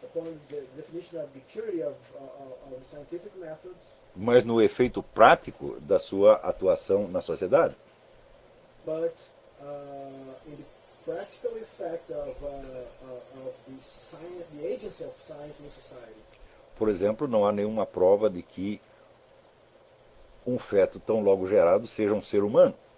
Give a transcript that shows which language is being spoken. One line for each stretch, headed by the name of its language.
English: Upon the definition of the purity of scientific methods.
Portuguese: Mas no efeito prático da sua atuação na sociedade.
English: But in the practical effect of the science, the agency of science in society.
Portuguese: Por exemplo, não há nenhuma prova de que um feto tão logo gerado seja um ser humano.